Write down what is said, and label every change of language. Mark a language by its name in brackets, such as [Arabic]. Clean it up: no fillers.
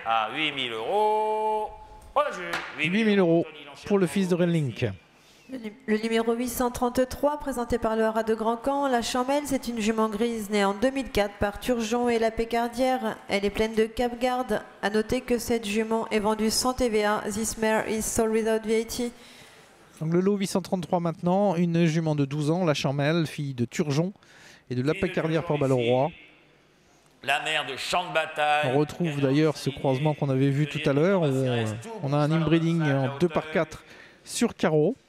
[French] À 8000 euros, on a vu. 8000 euros pour le fils de Railing. Le numéro 833, présenté par le Haras de Grandcamp, la Chamelle, c'est une jument grise née en 2004 par Turgeon et la Pécardière. Elle est pleine de cap-garde. À noter que cette jument est vendue sans TVA. [English] This mare is sold without VAT. [French] Donc le lot 833 maintenant, une jument de 12 ans, la Chamelle, fille de Turgeon et de la Pécardière par Balleroy. La mère de champ de bataille. On retrouve d'ailleurs ce croisement qu'on avait vu tout à l'heure. On a un inbreeding en 2x4 sur carreau.